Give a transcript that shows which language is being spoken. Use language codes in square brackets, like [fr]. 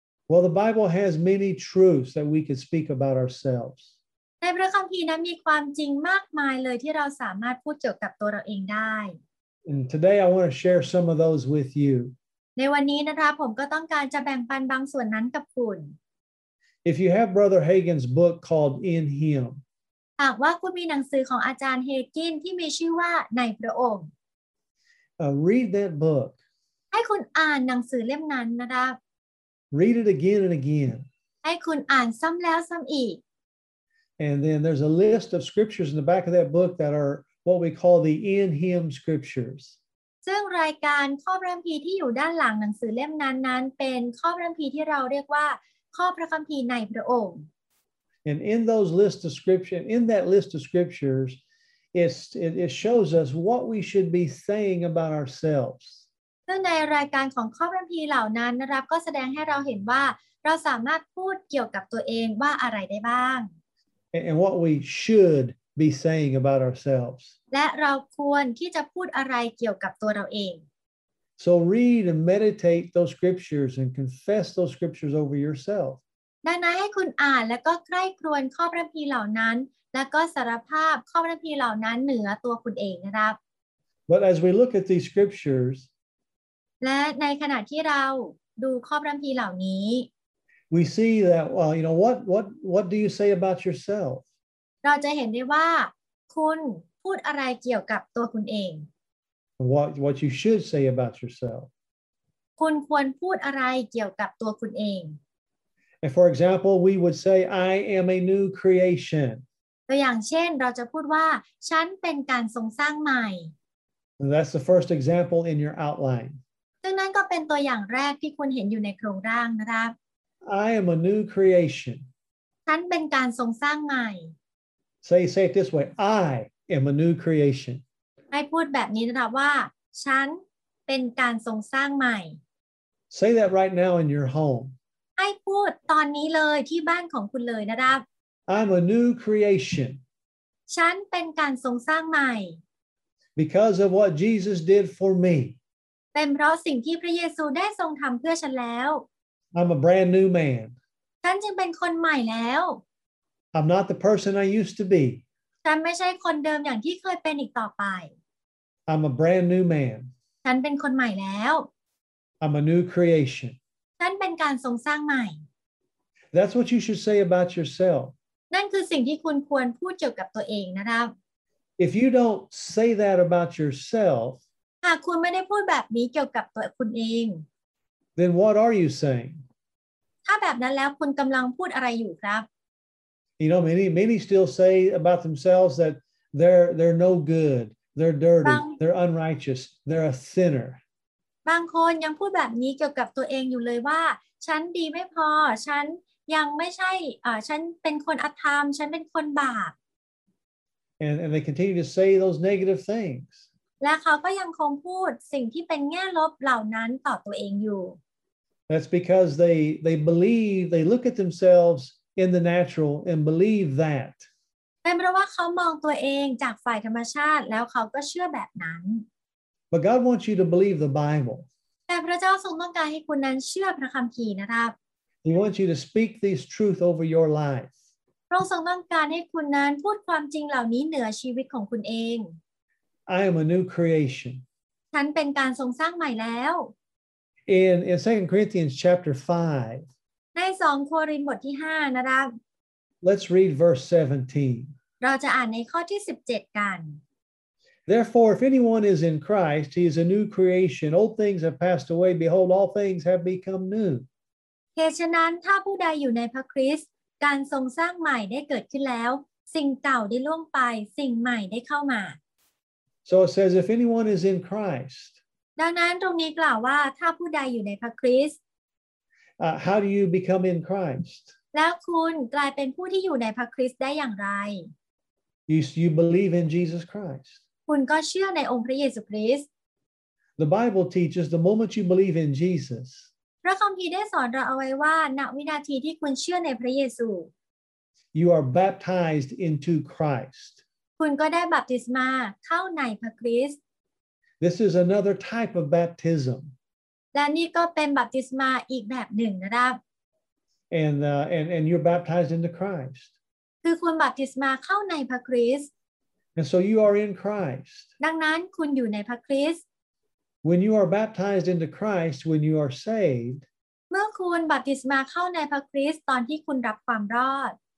[en] Well, the Bible has many truths that we could speak about ourselves. [th] ในพระคัมภีร์นั้นมีความจริงมากมายเลยที่เราสามารถพูดเกี่ยวกับตัวเราเองได้ [en] And today I want to share some of those with you. [th] ในวันนี้นะคะผมก็ต้องการจะแบ่งปันบางส่วนนั้นกับคุณ [en] If you have Brother Hagin's book called In Him [th] หากว่าคุณมีหนังสือของอาจารย์เฮกินที่มีชื่อว่าในพระองค์ [en] read that book [th] ให้คุณอ่านหนังสือเล่มนั้นนะครับ [en] read it again and again [th] ให้คุณอ่านซ้ำแล้วซ้ำอีก [en] and then there's a list of scriptures in the back of that book that are what we call the in him scriptures [th] ซึ่งรายการข้อพระคัมภีร์ที่อยู่ด้านหลังหนังสือเล่มนั้นนั้นเป็นข้อพระคัมภีร์ที่เราเรียกว่าข้อพระคัมภีร์ในพระองค์ [en] And in those list of scriptures, in that list of scriptures, it shows us what we should be saying about ourselves. [th] ซึ่งในรายการของข้อพระคัมภีร์เหล่านั้นนะครับก็แสดงให้เราเห็นว่าเราสามารถพูดเกี่ยวกับตัวเองว่าอะไรได้บ้าง [en] And what we should be saying about ourselves. [th] และเราควรที่จะพูดอะไรเกี่ยวกับตัวเราเอง [en] So read and meditate those scriptures and confess those scriptures over yourself. [th] ดังนั้นให้คุณอ่านแล้วก็ใคร่ครวญข้อพระคัมภีร์เหล่านั้นแล้วก็สารภาพข้อพระคัมภีร์เหล่านั้นเหนือตัวคุณเองนะครับ [en] But as we look at these scriptures [th] และในขณะที่เราดูข้อพระคัมภีร์เหล่านี้ [en] We see that you know what do you say about yourself [th] เราจะเห็นได้ว่าคุณพูดอะไรเกี่ยวกับตัวคุณเอง [en] What you should say about yourself [th] คุณควรพูดอะไรเกี่ยวกับตัวคุณเอง [en] And for example, we would say, "I am a new creation." [th] ตัวอย่างเช่นเราจะพูดว่าฉันเป็นการทรงสร้างใหม่ [en] That's the first example in your outline. [th] ซึ่งนั่นก็เป็นตัวอย่างแรกที่คุณเห็นอยู่ในโครงร่างนะครับ [en] I am a new creation. [th] ฉันเป็นการทรงสร้างใหม่ [en] Say it this way. I am a new creation. [th] ให้พูดแบบนี้นะครับว่าฉันเป็นการทรงสร้างใหม่ [en] Say that right now in your home. [th] ให้พูดตอนนี้เลยที่บ้านของคุณเลยนะครับ [en] I'm a new creation [th] ฉันเป็นการทรงสร้างใหม่ [en] Because of what Jesus did for me [th] เป็นเพราะสิ่งที่พระเยซูได้ทรงทำเพื่อฉันแล้ว [en] I'm a brand new man [th] ฉันจึงเป็นคนใหม่แล้ว [en] I'm not the person I used to be [th] ฉันไม่ใช่คนเดิมอย่างที่เคยเป็นอีกต่อไป [en] I'm a brand new man [th] ฉันเป็นคนใหม่แล้ว [en] I'm a new creation [th] นั่นเป็นการทรงสร้างใหม่ [en] That's what you should say about yourself [th] นั่นคือสิ่งที่คุณควรพูดเกี่ยวกับตัวเองนะครับ [en] If you don't say that about yourself [th] หากคุณไม่ได้พูดแบบนี้เกี่ยวกับตัวคุณเอง [en] Then what are you saying [th] ถ้าแบบนั้นแล้วคุณกำลังพูดอะไรอยู่ครับ [en] You know many still say about themselves that they're no good they're dirty they're unrighteous they're a sinner [th] บางคนยังพูดแบบนี้เกี่ยวกับตัวเองอยู่เลยว่าฉันดีไม่พอฉันยังไม่ใช่ฉันเป็นคนอธรรมฉันเป็นคนบาป [en] and they continue to say those negative things [th] และเขาก็ยังคงพูดสิ่งที่เป็นแง่ลบเหล่านั้นต่อตัวเองอยู่ [en] That's because they believe they look at themselves in the natural and believe that [th] เป็นเพราะว่าเขามองตัวเองจากฝ่ายธรรมชาติแล้วเขาก็เชื่อแบบนั้น [en] But God wants you to believe the Bible. [th] แต่พระเจ้าทรงต้องการให้คุณนั้นเชื่อพระคัมภีร์นะครับ [en] He wants you to speak these truth over your life. [th] พระองค์ทรงต้องการให้คุณนั้นพูดความจริงเหล่านี้เหนือชีวิตของคุณเอง [en] I am a new creation. [th] ฉันเป็นการทรงสร้างใหม่แล้ว [en] In 2 Corinthians chapter 5. [th] ใน2โครินธ์บทที่5นะครับ [en] Let's read verse 17. [th] เราจะอ่านในข้อที่17กัน [en] Therefore, if anyone is in Christ, he is a new creation. Old things have passed away. Behold, all things have become new. [th] เหตุนั้นถ้าผู้ใดอยู่ในพระคริสต์การทรงสร้างใหม่ได้เกิดขึ้นแล้วสิ่งเก่าได้ล่วงไปสิ่งใหม่ได้เข้ามา [en] So it says, if anyone is in Christ. [th] ดังนั้นตรงนี้กล่าวว่าถ้าผู้ใดอยู่ในพระคริสต์ [en] How do you become in Christ? [th] แล้วคุณกลายเป็นผู้ที่อยู่ในพระคริสต์ได้อย่างไร [en] You believe in Jesus Christ. [th] คุณก็เชื่อในองค์พระเยซูคริสต์ [en] The Bible teaches the moment you believe in Jesus [th] พระคัมภีร์ได้สอนเราเอาไว้ว่าณวินาทีที่คุณเชื่อในพระเยซู [en] You are baptized into Christ [th] คุณก็ได้บัพติศมาเข้าในพระคริสต์ [en] This is another type of baptism [th] และนี่ก็เป็นบัพติศมาอีกแบบหนึ่งนะครับ [en] And you're baptized into Christ [th] คือคุณบัพติศมาเข้าในพระคริสต์ [en] And so you are in Christ. [th] ดังนั้นคุณอยู่ในพระคริสต์ [en] When you are baptized into Christ, when you are saved, [th] เมื่อคุณบัพติศมาเข้าในพระคริสต์ตอนที่คุณรับความรอด